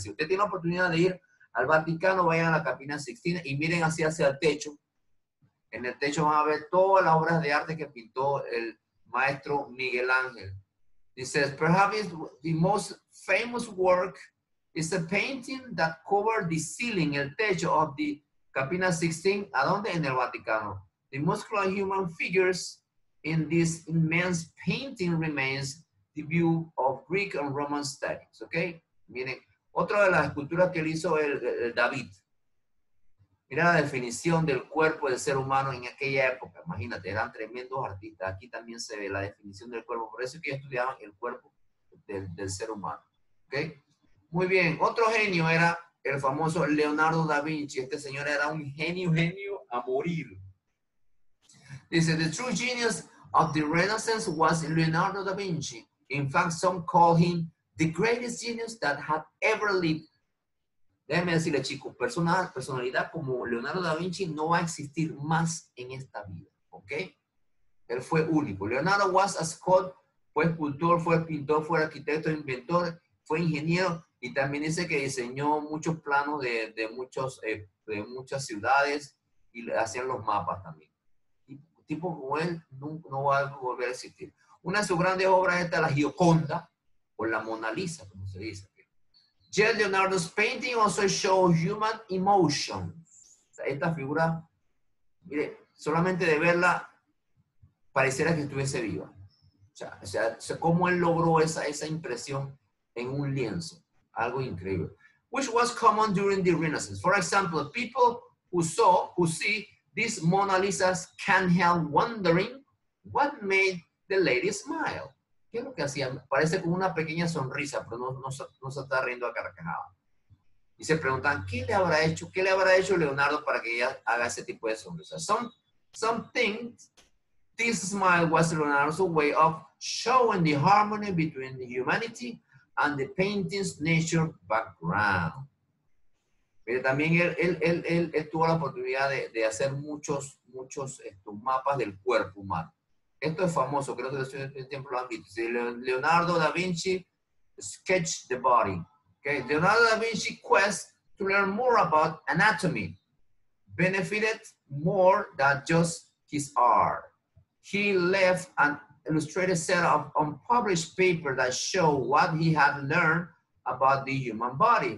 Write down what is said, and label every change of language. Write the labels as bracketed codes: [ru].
[es] Si usted tiene la oportunidad de ir al Vaticano, vayan a la Capilla Sixtina y miren hacia el techo. En el techo van a ver todas las obras de arte que pintó el maestro Miguel Ángel. [en] He says, perhaps the most famous work is a painting that covered the ceiling, [es] el techo [en] of the Capilla Sixtina, [es] ¿a dónde? En el Vaticano. [en] The muscular human figures in this immense painting remains the view of Greek and Roman studies. Okay? [es] Miren, otra de las esculturas que él hizo, el David. Mira la definición del cuerpo del ser humano en aquella época. Imagínate, eran tremendos artistas. Aquí también se ve la definición del cuerpo. Por eso es que estudiaban el cuerpo del ser humano. ¿Okay? Muy bien. Otro genio era el famoso Leonardo da Vinci. Este señor era un genio a morir. Dice, [en] the true genius of the Renaissance was Leonardo da Vinci. In fact, some call him the greatest genius that had ever lived. [es] Déjenme decirle, chicos, personalidad como Leonardo da Vinci no va a existir más en esta vida, ¿ok? Él fue único. [en] Leonardo was a sculptor, [es] fue escultor, fue pintor, fue arquitecto, inventor, fue ingeniero. Y también dice que diseñó muchos planos de muchos de muchas ciudades y hacían los mapas también. Y tipo como él nunca, no va a volver a existir. Una de sus grandes obras es la Gioconda o la Mona Lisa, como se dice. J. [en] Leonardo's painting also shows human emotion. [es] Esta figura, mire, solamente de verla, pareciera que estuviese viva. O sea, cómo él logró esa impresión en un lienzo. Algo increíble. [en] Which was common during the Renaissance. For example, people who see these Mona Lisas can't help wondering what made the lady smile. [es] ¿Qué es lo que hacía? Parece como una pequeña sonrisa, pero no se está riendo a carcajada. Y se preguntan, ¿qué le habrá hecho? ¿Qué le habrá hecho Leonardo para que ella haga ese tipo de sonrisa? [en] Some think this smile was Leonardo's way of showing the harmony between the humanity and the painting's nature background. [es] Pero también él tuvo la oportunidad de hacer muchos mapas del cuerpo humano. Esto es famoso, creo que lo estoy en tiempo lo han visto. [en] Leonardo da Vinci sketched the body. Okay. Leonardo da Vinci quest to learn more about anatomy benefited more than just his art. He left an illustrated set of unpublished papers that show what he had learned about the human body.